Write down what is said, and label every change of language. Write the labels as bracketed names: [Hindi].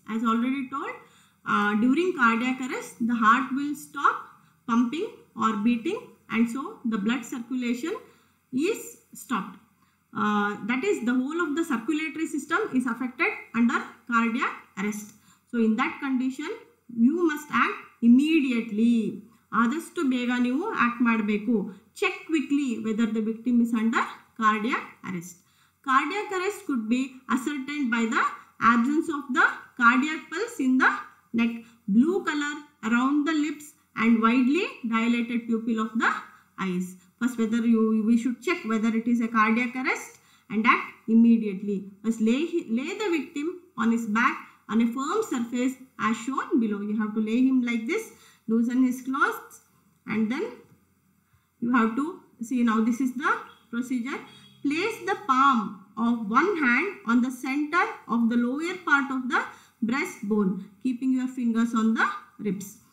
[English] As already told, during cardiac arrest, the heart will stop pumping or beating, and so the blood circulation is stopped. That is, the whole of the circulatory system is affected under cardiac arrest. So in that condition, you must act immediately. [Kannada] ಆದಷ್ಟು ಬೇಗ ನೀವು act ಮಾಡಬೇಕು. [English] Check quickly whether the victim is under cardiac arrest. Cardiac arrest could be ascertained by the absence of the cardiac pulse in the neck, blue colour around the lips and widely dilated pupil of the eyes. First whether we should check whether it is a cardiac arrest and act immediately. First lay the victim on his back on a firm surface as shown below. You have to lay him like this, loosen his clothes, and then you have to see. Now this is the procedure. Place the palm of one hand on the center of the lower part of the breast bone, keeping your fingers on the ribs.